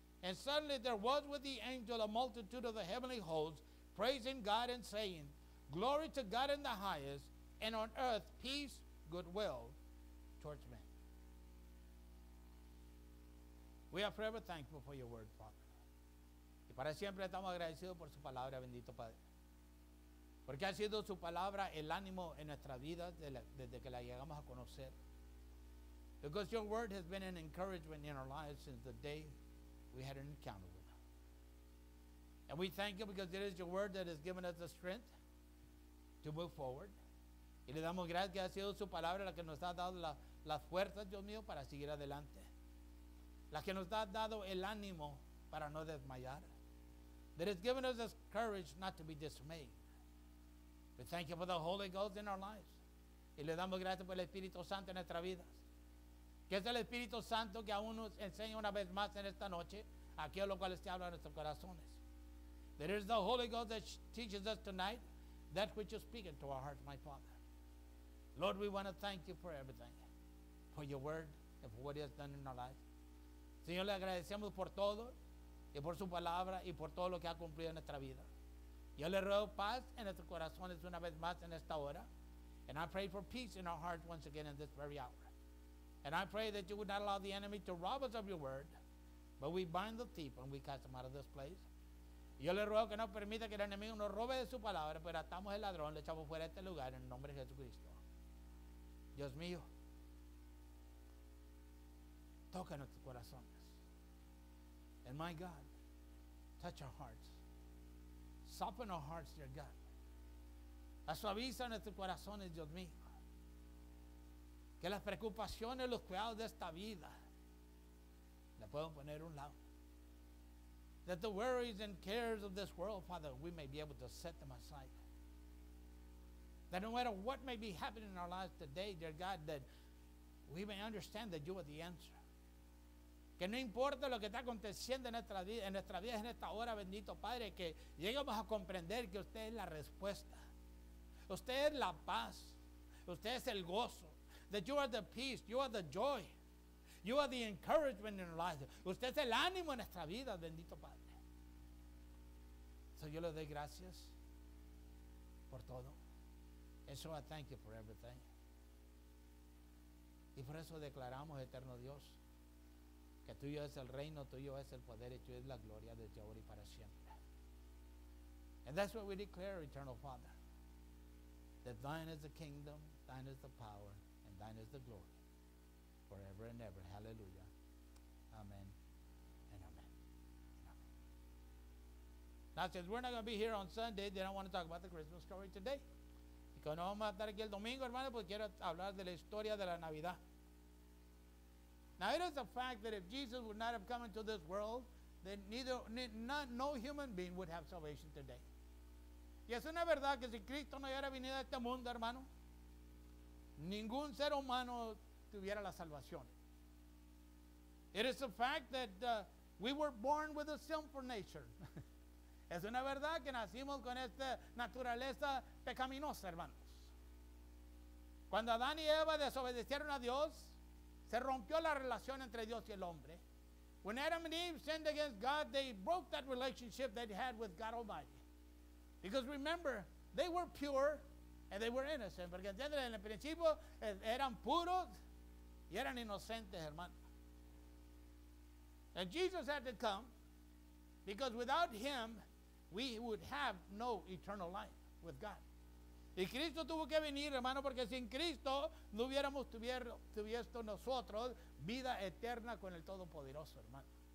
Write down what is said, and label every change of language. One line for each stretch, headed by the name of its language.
English: And suddenly there was with the angel a multitude of the heavenly hosts, praising God and saying, glory to God in the highest, and on earth peace, goodwill towards men. We are forever thankful for your word, Father.
Spanish: Y para siempre estamos agradecidos por su palabra, bendito Padre. Porque ha sido su palabra el ánimo en nuestra vida desde que la llegamos a conocer.
English: Because your word has been an encouragement in our lives since the day we had an encounter with them. And we thank you because it is your word that has given us the strength to move forward.
Spanish: Y le damos gracias, que ha sido su palabra la que nos ha dado la fuerza, Dios mío, para seguir adelante. La que nos ha dado el ánimo para no desmayar.
English: That has given us the courage not to be dismayed. We thank you for the Holy Ghost in our lives.
Spanish: Y le damos gracias por el Espíritu Santo en nuestras vidas. Que es el Espíritu Santo que aún nos enseña una vez más en esta noche aquello lo cual se habla en nuestros corazones.
English: There is the Holy Ghost that teaches us tonight that which you speak into our hearts, my Father. Lord, we want to thank you for everything, for your word and for what he has done in our life.
Spanish: Señor, le agradecemos por todo y por su palabra y por todo lo que ha cumplido en nuestra vida. Yo le ruego paz en nuestros corazones una vez más en esta hora.
English: And I pray for peace in our hearts once again in this very hour. And I pray that you would not allow the enemy to rob us of your word, but we bind the thief and we cast him out of this place.
Spanish: Yo le ruego que no permita que el enemigo nos robe de su palabra, pero atamos el ladrón, le echamos fuera de este lugar en el nombre de Jesucristo. Dios mío, toca nuestros corazones.
English: And my God, touch our hearts. Soften our hearts, dear God.
Spanish: Suaviza nuestros corazones, Dios mío. Que las preocupaciones, los cuidados de esta vida, le puedan poner un lado.
English: That the worries and cares of this world, Father, we may be able to set them aside. That no matter what may be happening in our lives today, dear God, that we may understand that you are the answer.
Spanish: Que no importa lo que está aconteciendo en nuestra vida, en esta hora, bendito Padre, que lleguemos a comprender que usted es la respuesta. Usted es la paz. Usted es el gozo.
English: That you are the peace, you are the joy, you are the encouragement in our life.
Spanish: Usted es el ánimo en nuestra vida, bendito Padre. So yo le doy gracias por todo.
English: And so I thank you for everything.
Spanish: Y por eso declaramos, eterno Dios, que tuyo es el reino, tuyo es el poder, y tuyo es la gloria desde ahora y para siempre.
English: And that's what we declare, eternal Father, that thine is the kingdom, thine is the power, thine is the glory forever. and ever. Hallelujah. Amen. And amen. And amen. Now, since we're not going to be here on Sunday, then I want to talk about the Christmas story today.
Spanish: Y que no vamos a estar aquí el domingo, hermano, pues quiero hablar de la historia de la Navidad.
English: Now, it is a fact that if Jesus would not have come into this world, then neither, no human being would have salvation today.
Spanish: Y es una verdad que si Cristo no hubiera venido a este mundo, hermano, ningún ser humano tuviera la salvación.
English: It is a fact that we were born with a sinful nature.
Spanish: Es una verdad que nacimos con esta naturaleza pecaminosa, hermanos. Cuando Adán y Eva desobedecieron a Dios, se rompió la relación entre Dios y el hombre.
English: When Adam and Eve sinned against God, they broke that relationship they had with God Almighty. Because remember, they were pure and they were innocent.
Spanish: Porque entiende, en el principio eran puros y eran inocentes, hermano.
English: And Jesus had to come because without him, we would have no eternal life with God.
Spanish: Y Cristo tuvo que venir, hermano, porque sin Cristo no hubiéramos tuviesto nosotros vida eterna con el Todopoderoso, hermano.